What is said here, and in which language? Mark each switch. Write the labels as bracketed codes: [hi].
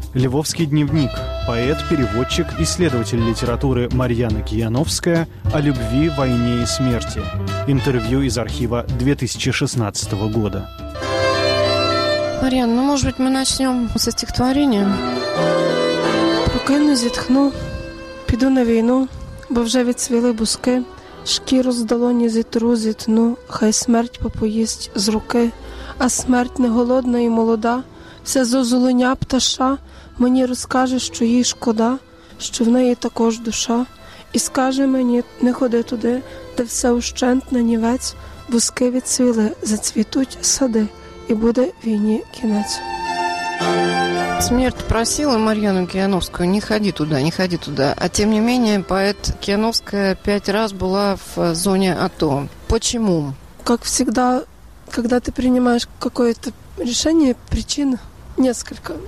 [ru] Львовский дневник. Поэт, переводчик, исследователь литературы Марьяна Кияновская о любви, войне и смерти. Интервью из архива 2016 года. Марьяна, ну, может быть, мы начнем со стихотворения? [uk] Рукою зітхну, піду на війну, бо вже відцвіли буски. Шкіру з долоні зітру зітну, хай смерть попоїсть з руки. А смерть не голодна і молода, все зозуленя пташа, мені розкаже, що їй шкода, що в неї також душа. І скаже мені, не ходи туди, де все ущент на нівець, вузки відцвіли, зацвітуть сади, і буде війні кінець. [ru] Смерть просила Марьяну Кияновскую: не ходи туда, не ходи туда. А тем не менее, поэт Кияновская 5 раз была в зоне АТО. Почему? Как всегда, когда ты принимаешь какое-то решение, причин несколько.